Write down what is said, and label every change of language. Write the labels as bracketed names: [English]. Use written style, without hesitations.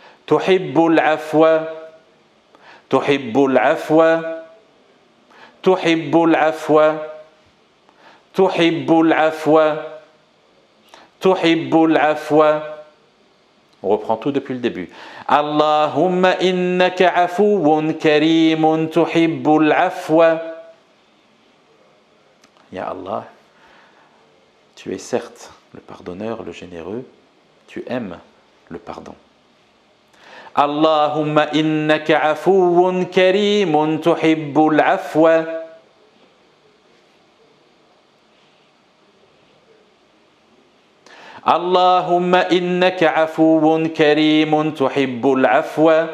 [Arabic] تحب العفو. تحب العفو. تحب العفو. تحب العفو. تحب العفو. [French] On reprend tout depuis le début. [Arabic] اللهم إنك عفو كريم تحب العفو. Ya Allah, [French] tu es certes le pardonneur, le généreux. Tu aimes le pardon. [Arabic] اللهم إنك عفو كريم تحب العفو. اللهم إنك عفو كريم تحب العفو.